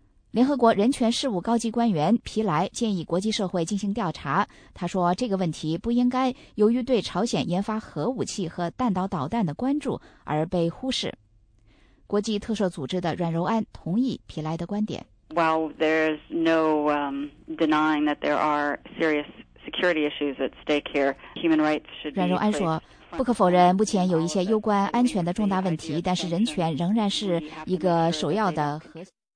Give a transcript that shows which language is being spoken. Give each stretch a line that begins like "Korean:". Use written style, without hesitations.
Chinese: 联合国人权事务高级官员皮莱建议国际社会进行调查，他说这个问题不应该由于对朝鲜研发核武器和弹道导弹的关注而被忽视。国际特赦组织的阮柔安同意皮莱的观点。
English: While there's no denying that there are serious security issues at stake here, human rights should be.
Chinese: 阮柔安说，不可否认，目前有一些攸关安全的重大问题，但是人权仍然是一个首要的核心。